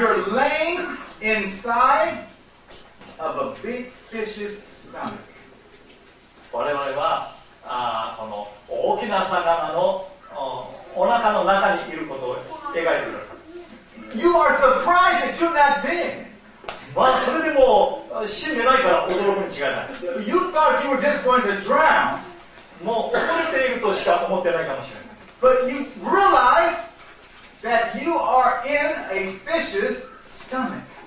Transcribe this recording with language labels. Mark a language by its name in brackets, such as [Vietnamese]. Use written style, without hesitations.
[English] You're laying inside of a big fish's stomach. [Japanese] 我々はこの大きな魚のお腹の中にいることを描いてください。 [English] You are surprised that you're not big. [Japanese] まあそれでも死んでないから驚くに違いない。 [English] You thought you were just going to drown. [Japanese] もう溺れているとしか思ってないかもしれない。 [English] But you realize that you are in a fish's stomach.